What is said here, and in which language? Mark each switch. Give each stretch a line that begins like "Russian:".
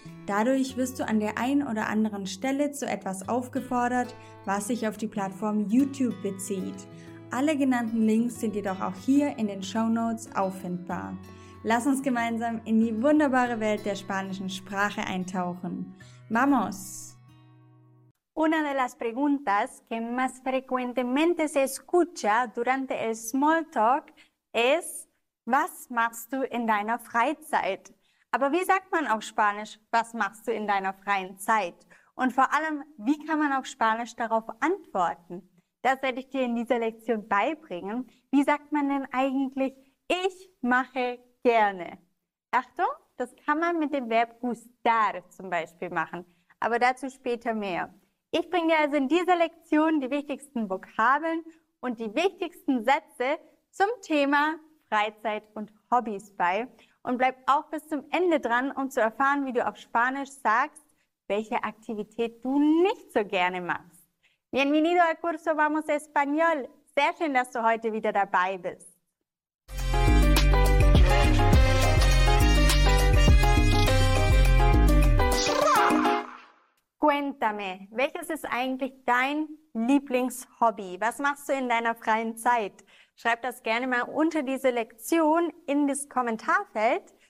German: Dadurch wirst du an der einen oder anderen Stelle zu etwas aufgefordert, was sich auf die Plattform YouTube bezieht. Alle genannten Links sind jedoch auch hier in den Shownotes auffindbar. Lass uns gemeinsam in die wunderbare Welt der spanischen Sprache eintauchen.
Spanish: ¡Vamos! Una de las preguntas que más frecuentemente se escucha durante el Smalltalk es,
German: was machst du in deiner Freizeit? Aber wie sagt man auf Spanisch, was machst du in deiner freien Zeit? Und vor allem, wie kann man auf Spanisch darauf antworten? Das werde ich dir in dieser Lektion beibringen. Wie sagt man denn eigentlich, ich mache gerne? Achtung, das kann man mit dem Verb gustar zum Beispiel machen. Aber dazu später mehr. Ich bringe also in dieser Lektion die wichtigsten Vokabeln und die wichtigsten Sätze zum Thema Freizeit und Hobbys bei. Und bleib auch bis zum Ende dran, um zu erfahren, wie du auf Spanisch sagst, welche Aktivität du nicht so gerne machst.
Spanish: Bienvenido al curso Vamos Español.
German: Sehr schön, dass du heute wieder dabei bist. Cuéntame, welches ist eigentlich dein Lieblingshobby? Was machst du in deiner freien Zeit? Schreib das gerne mal unter diese Lektion in das Kommentarfeld.